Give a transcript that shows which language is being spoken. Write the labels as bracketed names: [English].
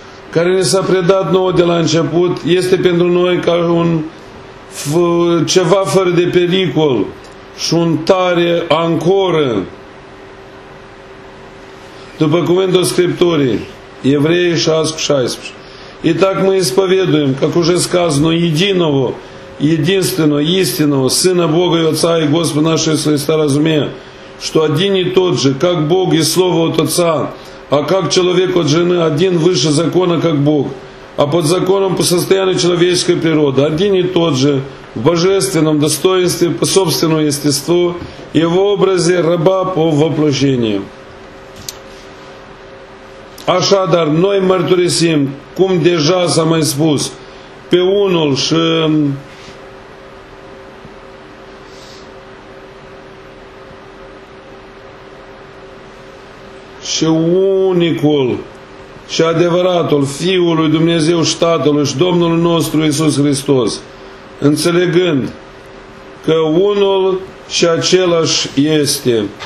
[Romanian] Care ne s-a predat nouă de la început, este pentru noi ca un ceva fără de pericol și un tare ancoră. După cuvântul Scripturii, Evrei 6:16. [Russian] И так мы исповедуем, как уже сказано, единого, единственного, истинного, Сына Бога и Отца и Господа нашего Иисуса Христа, разумея, что один и тот же, как Бог и Слово от Отца, а как человек от жены, один выше закона, как Бог, а под законом по состоянию человеческой природы, один и тот же, в божественном достоинстве, по собственному естеству и в образе раба по воплощению. [Romanian] Așadar, noi mărturisim, cum deja s-a mai spus, pe unul și unicul și adevăratul Fiul lui Dumnezeu și Tatălui și Domnul nostru Iisus Hristos, înțelegând că unul și același este,